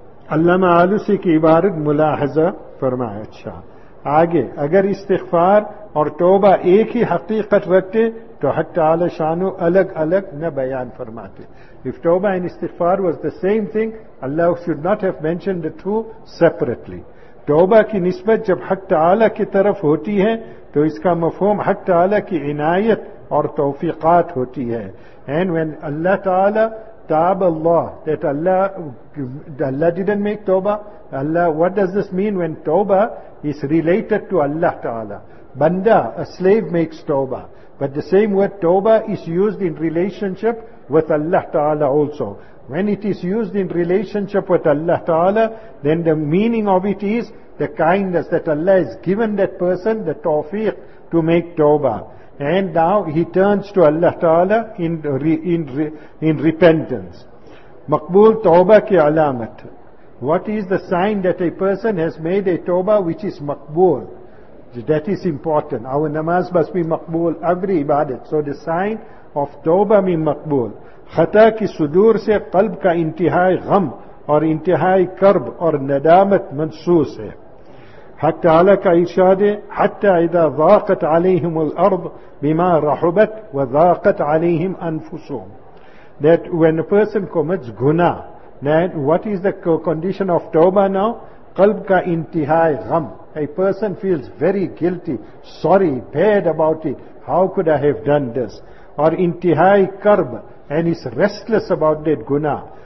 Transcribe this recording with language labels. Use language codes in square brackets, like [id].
[ur] Allama Alusi ki ibarat mulahaza farmaya acha. آگے اگر استغفار اور توبہ ایک ہی حقیقت رکھتے تو حق تعالی شانو الگ الگ نہ بیان فرماتے. [en] If توبہ and استغفار was the same thing, Allah should not have mentioned the two separately. [ur] توبہ کی نسبت جب حق تعالی کی طرف ہوتی ہے تو اس کا مفہوم حق تعالی کی عنایت اور توفیقات ہوتی ہے. [en] And when Allah تعالی تاب اللہ, that Allah didn't make توبہ. Allah, what does this mean when توبہ is related to Allah تعالی? Banda, a slave makes توبہ. But the same word توبہ is used in relationship with Allah تعالی also. When it is used in relationship with Allah تعالی, then the meaning of it is the kindness that Allah has given that person, the tawfiq to make توبہ. And now he turns to Allah تعالی in repentance. [ur] مقبول توبہ کی علامت. [en] What is the sign that a person has made a توبہ which is مقبول? That is important. Our namaz must be مقبول, every ibadat. So the sign of توبہ mean مقبول. [ur] خطا کی صدور سے قلب کا انتہائی غم اور انتہائی کرب اور ندامت منصوص ہے. حق تعالیٰ کا ارشاد ہے, [ar] حتی اذا ضاقت علیہم الارض بما رحبت وضاقت علیہم انفسهم. [en] That when a person commits guna, then what is the condition of توبہ now? [ur] قلب کا انتہائی غم. [en] A person feels very guilty, sorry, bad about it. How could I have done this? [ur] اور انتہائی کرب, [en] and is restless about that guna.